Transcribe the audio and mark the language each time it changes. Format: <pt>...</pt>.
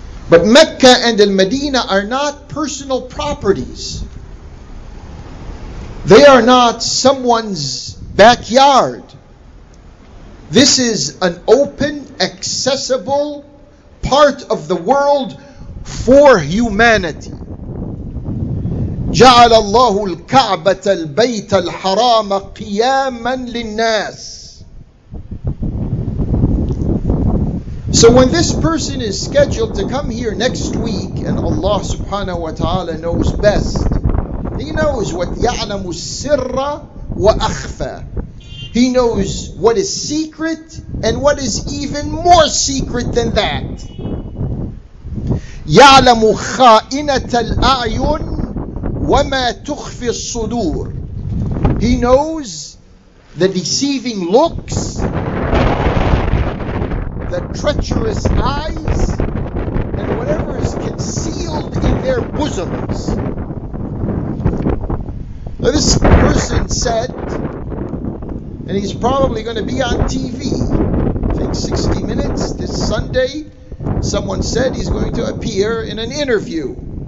<en>But Mecca and Al-Madinah are not personal properties. They are not someone's backyard. This is an open, accessible part of the world for humanity.</en> <ar>جعل الله الكعبة البيت الحرام قياما للناس.</ar> <en>So when this person is scheduled to come here next week, and Allah subhanahu wa ta'ala knows best, He knows what</en> <ar>يعلم السر وأخفى.</ar> <en>He knows what is secret and what is even more secret than that.</en> <ar>يعلم خائنة الأعين وَمَا تُخْفِي الصُّدُورِ.</ar> <en>He knows the deceiving looks, the treacherous eyes, and whatever is concealed in their bosoms. Now this person said, and he's probably going to be on TV, I think 60 Minutes this Sunday, someone said he's going to appear in an interview.</en>